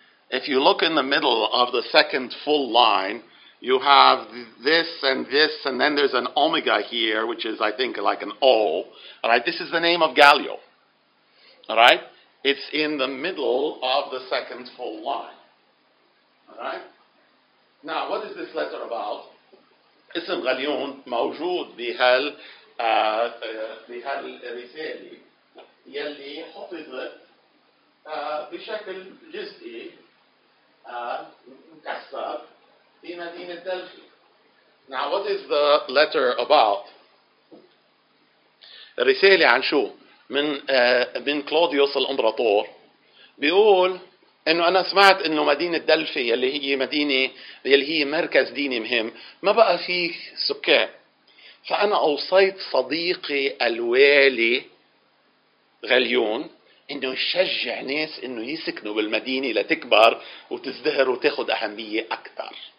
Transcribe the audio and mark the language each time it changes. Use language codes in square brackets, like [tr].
[en] If you look in the middle of the second full line, you have this and this, and then there's an omega here, which is, I think, like an O. All right, this is the name of Gallio. All right, it's in the middle of the second full line. All right, now what is this letter about? [ar] اسم غاليون موجود بهال الرسالة يلي حفظت بشكل جزئي مكسر في مدينة دلفي. [en] Now what is the letter about? [ar] الرسالة عن شو؟ من كلوديوس الإمبراطور بيقول إنه أنا سمعت إنه مدينة دلفي يلي هي مدينة يلي هي مركز ديني مهم ما بقى فيه سكان. فأنا أوصيت صديقي الوالي غليون إنه يشجع ناس إنه يسكنوا بالمدينة لتكبر وتزدهر وتاخد أهمية أكثر.